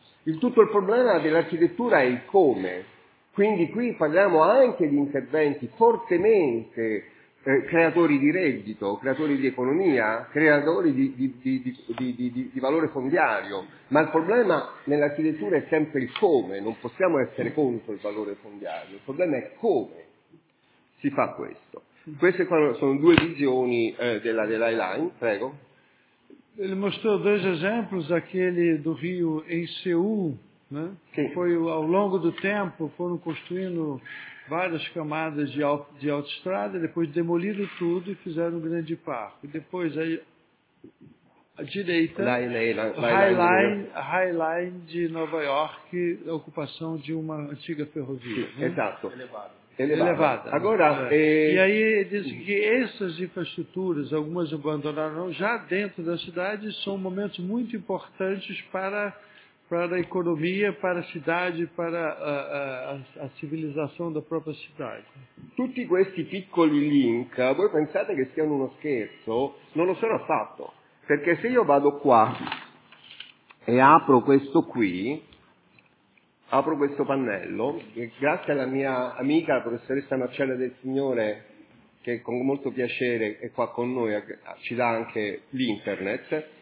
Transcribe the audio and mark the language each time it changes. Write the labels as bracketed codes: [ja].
[it] Il tutto il problema dell'architettura è il come. Quindi qui parliamo anche di interventi fortemente creatori di reddito, creatori di economia, creatori di valore fondiario, ma il problema nell'architettura è sempre il come. Non possiamo essere contro il valore fondiario, il problema è come si fa questo. Queste qua sono due visioni della High Line, prego. [pt] Ele mostrou dois exemplos, aquele do rio em Seul, né? Que foi ao longo do tempo, foram construindo várias camadas de autoestrada, depois demoliram tudo e fizeram um grande parque. Depois, aí, à direita, High Line de Nova York, a ocupação de uma antiga ferrovia. Sim, né? Exato. Elevada. Agora, e aí ele diz que essas infraestruturas, algumas abandonaram já dentro da cidade, são momentos muito importantes para a economia, para a cidade, para a civilização da própria cidade. [it] Tutti questi piccoli link, voi pensate che siano uno scherzo? Non lo sono affatto, perché se io vado qua e apro questo qui, apro questo pannello, e grazie alla mia amica, la professoressa Marcella Del Signore, che con molto piacere è qua con noi, ci dà anche l'internet.